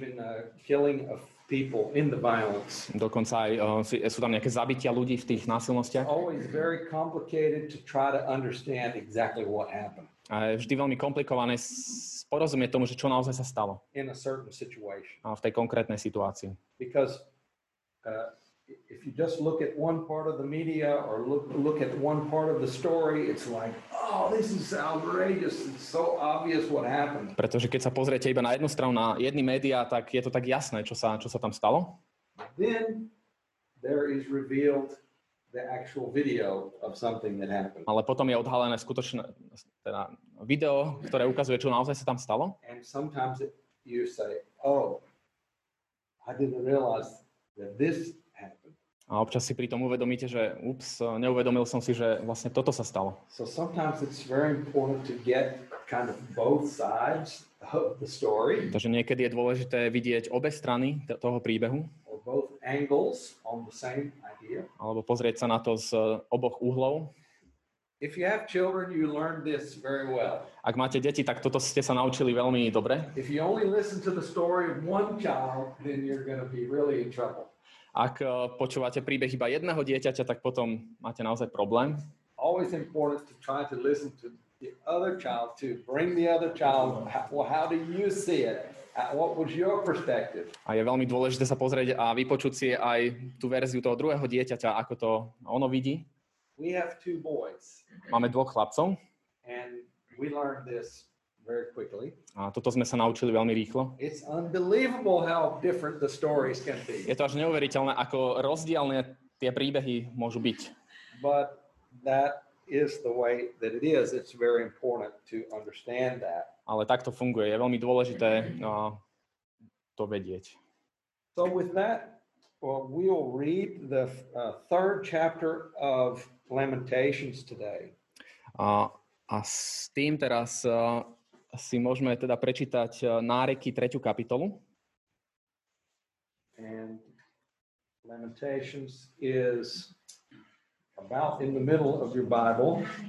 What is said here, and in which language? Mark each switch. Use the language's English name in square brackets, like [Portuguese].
[English] Even killing of people in the violence. [Slovak] Dokonca aj sú tam nejaké zabitia ľudí v tých násilnostiach. [English] It's always very complicated to try to understand exactly what happened. [Slovak] A je vždy veľmi komplikované porozumieť tomu, že čo naozaj sa stalo. [English] In a certain situation. [Slovak] A v tej konkrétnej situácii. [English] Because if you just look at one part of the media or look at one part of the story, it's like, oh, this is outrageous. It's so obvious what happened. [Slovak] Pretože keď sa pozriete iba na jednu stranu, na jedny médiá, tak je to tak jasné, čo sa tam stalo. [English] Then there is revealed the actual video of something that happened. [Slovak] Ale potom je odhalené skutočné teda video, ktoré ukazuje, čo naozaj sa tam stalo. [English] And sometimes you say, oh, I didn't realize that this happened. [Slovak] A občas si pri tom uvedomíte, že ups, neuvedomil som si, že vlastne toto sa stalo. [English] So sometimes it's very important to get kind of both sides of the story. [Slovak] Takže niekedy je dôležité vidieť obe strany toho príbehu. [English] Or both angles on the same idea. [Slovak] Alebo pozrieť sa na to z oboch uhlov. [English] If you have children, you learn this very well. [Slovak] Ak máte deti, tak toto ste sa naučili veľmi dobre. [English] If you only listen to the story of one child, then you're going to be really in trouble. [Slovak] Ak počúvate príbeh iba jedného dieťaťa, tak potom máte naozaj problém. [English] Always important to try to listen to the other child, to bring the other child, well, how do you see it? What was your perspective? [Slovak] A je veľmi dôležité sa pozrieť a vypočuť si aj tú verziu toho druhého dieťaťa, ako to ono vidí. [English] We have two boys. [Slovak] Máme dvoch chlapcov. [English] And we learned this very quickly. [Slovak] A toto sme sa naučili veľmi rýchlo. [English] It's unbelievable how different the stories can be. [Slovak] Je to až neuveriteľné, ako rozdielne tie príbehy môžu byť. [English] But that is the way that it is. It's very important to understand that. [Slovak] Ale takto funguje. Je veľmi dôležité to vedieť. [English] So with that, we'll read the third chapter of Lamentations today. [Slovak] A s tým teraz si môžeme teda prečítať Náreky 3. kapitolu. [English] And Lamentations is about in the middle of your Bible.